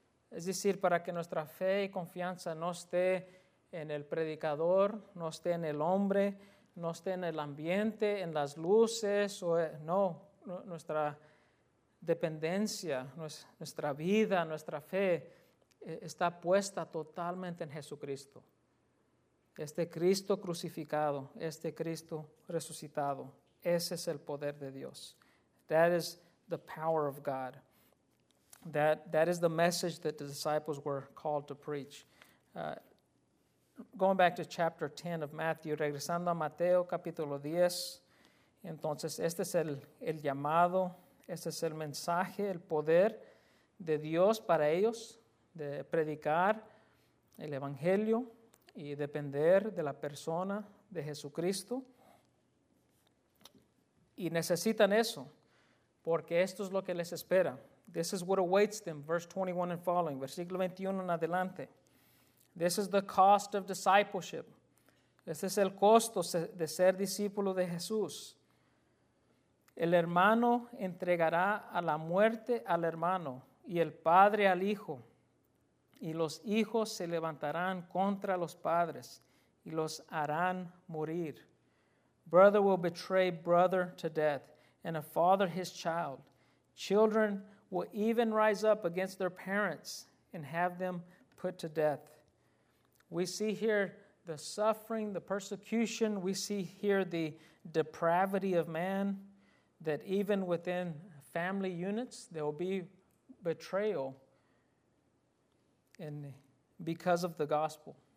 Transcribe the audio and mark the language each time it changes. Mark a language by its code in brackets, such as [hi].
[es] Es decir, para que nuestra fe y confianza no esté en el predicador, no esté en el hombre, no esté en el ambiente, en las luces, no, nuestra dependencia, nuestra vida, nuestra fe está puesta totalmente en Jesucristo. Este Cristo crucificado, este Cristo resucitado, ese es el poder de Dios. [en] That is the power of God. That is the message that the disciples were called to preach. Going back to chapter 10 of Matthew, [es] regresando a Mateo, capítulo 10. Entonces, este es el llamado, este es el mensaje, el poder de Dios para ellos, de predicar el evangelio y depender de la persona de Jesucristo. Y necesitan eso, porque esto es lo que les espera. [en] This is what awaits them, verse 21 and following, [es] versículo 21 en adelante. [en] This is the cost of discipleship. [es] Este es el costo de ser discípulo de Jesús. El hermano entregará a la muerte al hermano y el padre al hijo. Y los hijos se levantarán contra los padres y los harán morir. [en] Brother will betray brother to death and a father his child. Children will even rise up against their parents and have them put to death. We see here the suffering, the persecution. We see here the depravity of man, that even within family units, there will be betrayal because of the gospel.